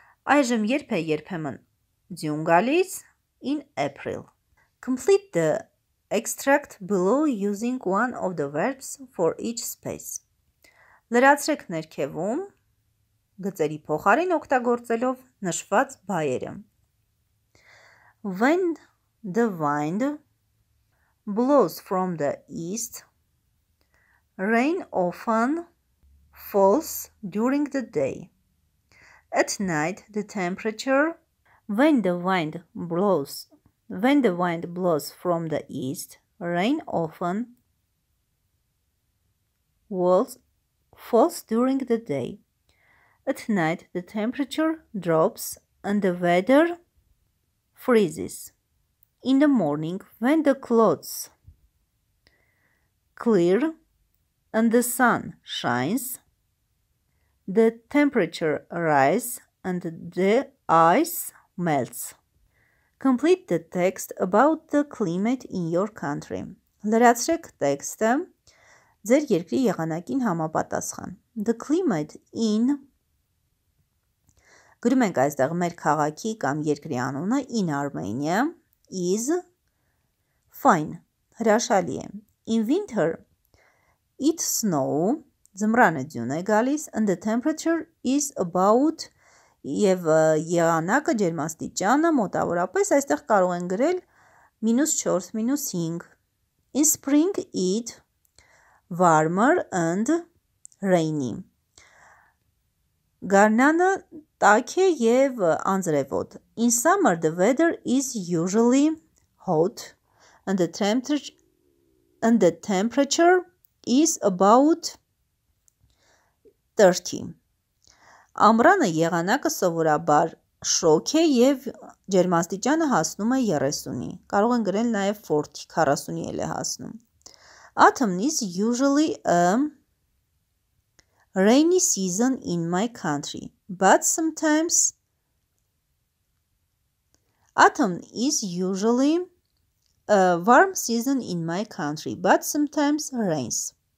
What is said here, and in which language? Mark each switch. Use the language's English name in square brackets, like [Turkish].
[Armenian] Այժմ երբ է երբեմն ձյուն գալիս. [English] In April. Complete the extract below using one of the verbs for each space. [Armenian] Լրացրեք ներքևում գծերի փոխարեն օգտագործելով նշված բայերը. [English] When the wind blows from the east, rain often falls during the day. At night, the temperature when the wind blows from the east, rain often falls during the day. At night, the temperature drops and the weather freezes. In the morning, when the clouds clear and the sun shines, the temperature rises and the ice melts. Complete the text about the climate in your country. [Armenian] Լրացրեք տեքստը ձեր երկրի եղանակին համապատասխան. [English] The climate in [Armenian] գրում ենք այստեղ մեր քաղաքի կամ երկրի անունը [English] in Armenia is fine. [Armenian] Հրաշալի է. [English] In winter it snow. [Armenian] Ձմռանը ձյուն է գալիս [English] and the temperature is about [Armenian] Եվ եղանակը ջերմաստիճանը մոտավորապես այստեղ կարող են գրել մինուս 4, մինուս 5. [English] In spring it warmer and rainy. [Armenian] Գարնանը տաք է և անձրևոտ. [English] In summer the weather is usually hot and the temperature is about 30. [Armenian] Ամռանը եղանակը սովորաբար շոգ է և ջերմաստիճանը հասնում է 30-ի։ Կարող են գրել նաև 40, 40-ի էլ է հասնում։ [English] Autumn is usually a rainy season in my country, but sometimes Autumn is usually a warm season in my country, but sometimes rains.